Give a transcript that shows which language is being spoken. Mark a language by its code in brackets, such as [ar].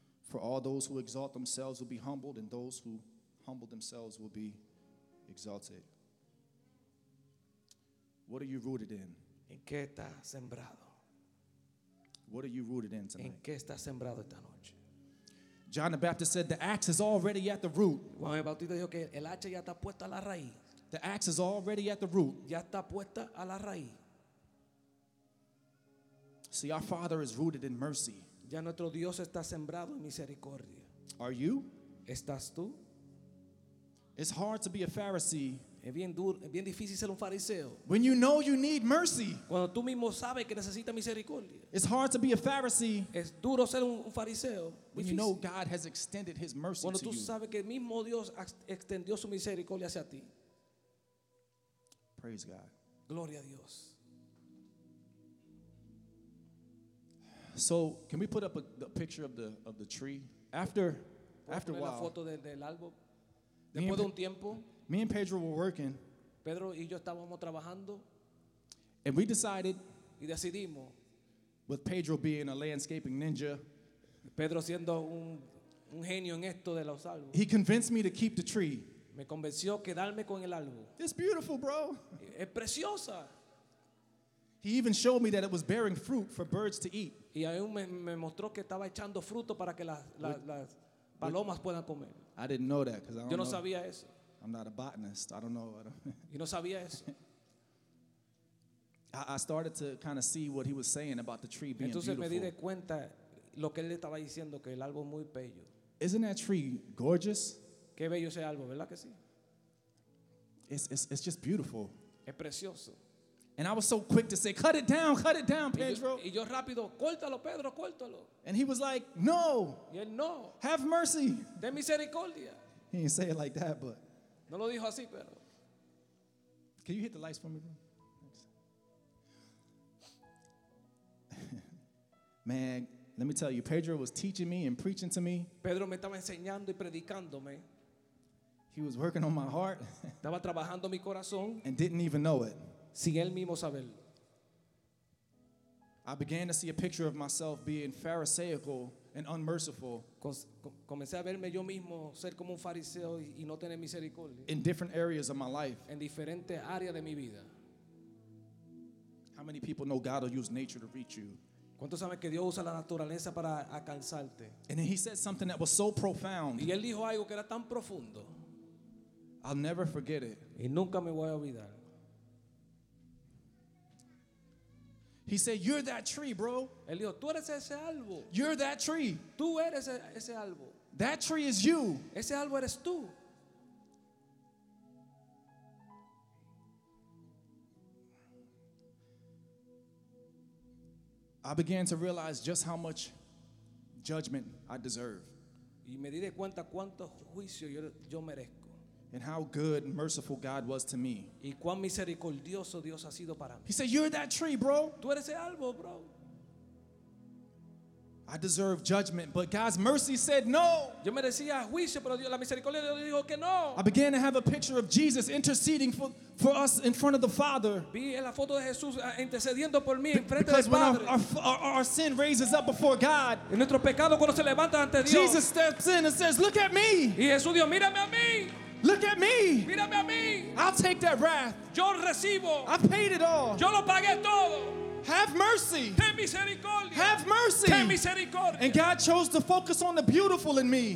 [en] For all those who exalt themselves will be humbled, and those who humble themselves will be exalted. What are you rooted in? [es] ¿En qué está sembrado? [en] What are you rooted in tonight? [es] ¿En qué está sembrado esta noche? [en] John the Baptist said the axe is already at the root. [es] Juan el Bautista dijo que el hacha ya está puesta a la raíz. [en] The axe is already at the root. [es] Ya está puesta a la raíz. [en] See, our Father is rooted in mercy. [es] Ya nuestro Dios está sembrado en misericordia. [en] Are you? [es] ¿Estás tú? [en] It's hard to be a Pharisee. [es] Es bien duro, es bien difícil ser un fariseo. [en] When you know you need mercy. [es] Cuando tú mismo sabes que necesitas misericordia. [en] It's hard to be a Pharisee. [es] Es duro ser un fariseo. [en] When you know God has extended his mercy to you. [es] Cuando tú sabes que mismo Dios extendió su misericordia hacia ti. [en] Praise God. [es] Gloria a Dios. [en] So, can we put up a picture of the tree? After a while. [es] La foto del árbol. Después de un tiempo. [en] Me and Pedro were working. [es] Pedro y yo estábamos trabajando. [en] And we decided. [es] Y decidimos. [en] With Pedro being a landscaping ninja. [es] Pedro siendo un genio en esto de los árboles. [en] He convinced me to keep the tree. [es] Me convenció quedarme con el árbol. [en] It's beautiful, bro. [es] Es preciosa. [en] He even showed me that it was bearing fruit for birds to eat. [es] Y aún me mostró que estaba echando fruto para que las palomas puedan comer. [en] I didn't know that because I don't [es] yo no [en] know. [es] Sabía eso. [en] I'm not a botanist. I don't know. [es] Y no sabía eso. [en] I started to kind of see what he was saying about the tree being [es] entonces [en] beautiful. [es] Entonces me di de cuenta lo que él le estaba diciendo que el árbol muy bello. [en] Isn't that tree gorgeous? [es] Qué bello ese árbol, ¿verdad que sí? [en] It's just beautiful. [es] Es precioso. [en] And I was so quick to say, cut it down, Pedro. [es] Y yo rápido, córtalo, Pedro, córtalo. [en] And he was like, no. [es] Y él, no. [en] Have mercy. [es] De misericordia. [en] He didn't say it like that, but. [es] No lo dijo así, pero. [en] Can you hit the lights for me, bro? Man, let me tell you, Pedro was teaching me and preaching to me. [es] Pedro me estaba enseñando y predicándome. [en] He was working on my heart. [es] Estaba trabajando mi corazón. [en] And didn't even know it. [es] Sin él mismo saberlo. [en] I began to see a picture of myself being pharisaical and unmerciful. [es] Comencé a verme yo mismo ser como un fariseo y no tener misericordia. [en] In different areas of my life. [es] En diferentes áreas de mi vida. [en] How many people know God will use nature to reach you? [es] ¿Cuántos saben que Dios usa la naturaleza para alcanzarte? [en] And then he said something that was so profound. [es] Y él dijo algo que era tan profundo. [en] I'll never forget it. [es] Y nunca me voy a olvidar. [en] He said, you're that tree, bro. [es] Él dijo, tú eres ese árbol. [en] You're that tree. [es] Tú eres ese árbol. [en] That tree is you. [es] Ese árbol eres tú. [en] I began to realize just how much judgment I deserve. [es] Y me di de cuenta cuánto juicio yo merezco. [en] And how good and merciful God was to me. [es] Y cuán misericordioso Dios ha sido para mí. [en] He said, you're that tree, bro. [es] Tú eres ese árbol, bro. [en] I deserve judgment, but God's mercy said no. [es] Yo merecía juicio, pero Dios, la misericordia de Dios dijo que no. [en] I began to have a picture of Jesus interceding for us in front of the Father. [es] Vi la foto de Jesús intercediendo por mí en frente del Padre. [en] Because when our sin raises up before God, [es] y nuestro pecado cuando se levanta ante Dios, [en] Jesus steps in and says, "Look at me." [es] Y Jesús dijo, "Mírame a mí." [en] Look at me. [es] Mírame a mí. [en] I'll take that wrath. [es] Yo recibo. [en] I paid it all. [es] Yo lo pagué todo. [en] Have mercy. [es] Ten misericordia. [en] Have mercy. [es] Ten misericordia. [en] And God chose to focus on the beautiful in me.